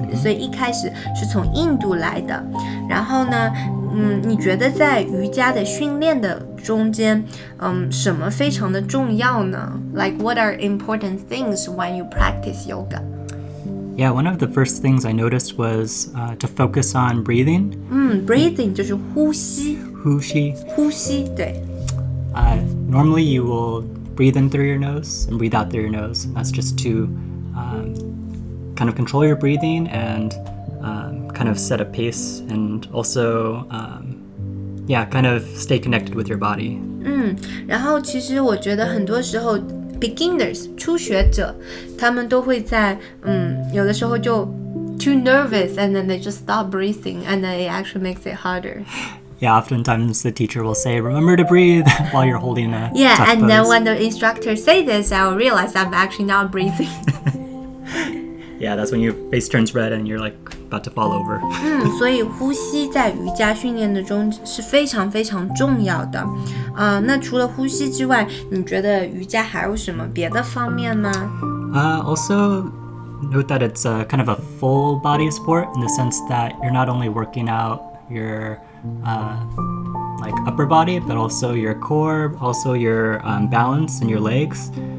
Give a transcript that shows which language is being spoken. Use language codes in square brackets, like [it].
[zh] 所以一开始是从印度来的。然后呢，你觉得在瑜伽的训练的中间，什么非常的重要呢？ [en] Like what are important things when you practice yoga? Yeah, one of the first things I noticed was to focus on breathing. [zh] Breathing 就是呼吸。呼吸。呼吸，对。 [en] Normally you will breathe in through your nose and breathe out through your nose. That's just to kind of control your breathing and kind of set a pace, and also kind of stay connected with your body. [zh] 然后其实我觉得很多时候 beginners 初学者他们都会在有的时候就 [en] too nervous and then they just stop breathing and then it actually makes it harder. Yeah, oftentimes the teacher will say, remember to breathe while you're holding a tough pose. Yeah, and then when the instructor say this, I'll realize I'm actually not breathing. Yeah, that's when your face turns red and you're like about to fall over. [zh] 所以呼吸在瑜伽训练的中是非常非常重要的。那除了呼吸之外，你觉得瑜伽还有什么别的方面吗？ [en] Also, note that it's kind of a full body sport in the sense that you're not only working out your upper body, but also your core, also your balance and your legs.